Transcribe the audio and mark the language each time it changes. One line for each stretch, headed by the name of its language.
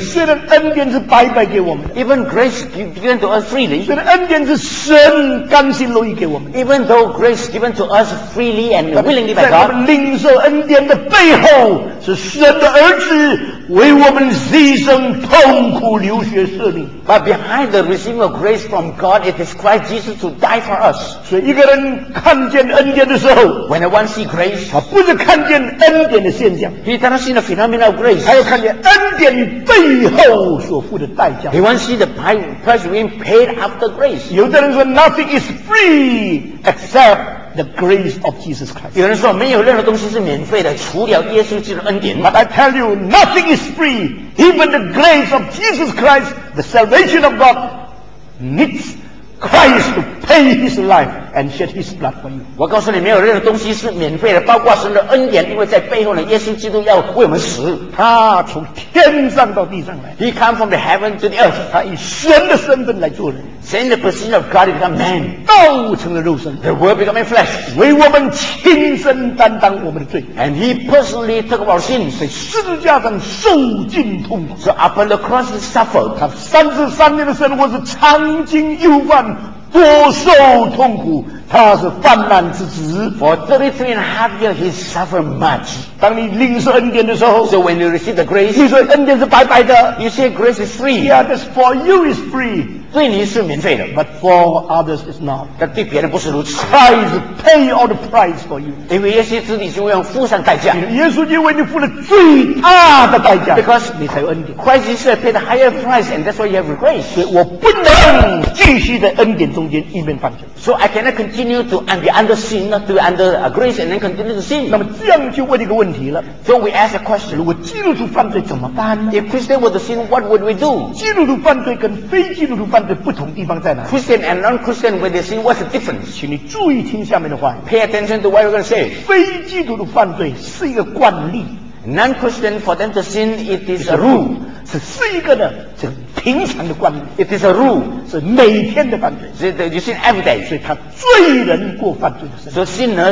Chinese: 虽然恩典是白白给我们
English: ，even grace given to us freely。
Chinese: 虽然恩典是神甘心乐意给我们
English: ，even though grace given to us freely and willingly by God。
Chinese: 在我们领受恩典的背后，是神的儿子为我们牺牲、痛苦流血。
English: But behind the receiving of grace from God, it is Christ Jesus who died for us.
Chinese: 所以一个人看见恩典的时候
English: ，when one see grace，
Chinese: 他不是看见恩典的现象
English: ，he doesn't see the phenomenon of grace，
Chinese: 他要看见恩典背后所付的代价。
English: He wants to see the price being paid after grace.
Chinese: 有的人说
English: ，nothing is free except。 The grace of Jesus Christ.
Chinese: 有人说没有任何东西是免费的，除了耶稣基督恩典。
English: But I tell you, nothing is free. Even the grace of Jesus Christ, the salvation of God, needs Christ to pay His life and shed His blood for you.
Chinese: 我告诉你，没有任何东西是免费的，包括神的恩典，因为在背后呢，耶稣基督要为我们死。他从天上到地上来。
English: He came from the heaven to the earth.
Chinese: 他以神的身份来做人。
English: Sin the person of God become man.
Chinese: 道成了肉身。
English: The word became flesh.
Chinese: 为我们亲身担当我们的罪。
English: And he personally took our sins.
Chinese: 在十字架上受尽痛苦。
English: So upon the cross he suffered.
Chinese: 他33年的生活是长经忧患，多受痛苦。他是泛滥之子。
English: For 33 and a half years he suffered much.
Chinese: 当你领受恩典的时候
English: ，So when you receive the grace,
Chinese: 你说恩典是白白的。
English: You say grace is free. Yeah, that's for you is free.
Chinese: 对你是免费的
English: ，but for others is not。
Chinese: 但对别人不是如此。
English: Christ paid all the price for you。
Chinese: 因为耶稣基督已经为你付上代价。耶稣基督为你付了最大的代价。
English: Because
Chinese: 你才有恩典。
English: Christ Jesus paid the higher price, and that's why you have grace。
Chinese: 所以我不能继续在恩典中间一边犯罪。
English: So I cannot continue to be under sin, not to be under grace, and then continue to sin。
Chinese: 那么这样就问一个问题了。
English: So we ask a question:
Chinese: 如果基督徒犯罪怎么办呢
English: ？If Christian were to sin, what would we do？
Chinese: 基督徒犯罪跟非基督徒犯罪不同地方在哪
English: ？Christian and non-Christian, when they sin, what's the difference？
Chinese: 请你注意听下面的话。
English: Pay attention to what we're going to say。
Chinese: 非基督徒犯罪是一个惯例。
English: Non-Christian, for them to sin, it is a rule。
Chinese: 只是一个呢，这平常的惯例。
English: It is a rule，
Chinese: 是每天的犯罪。
English: So you sin every day，
Chinese: 所以他罪人过犯罪的生活。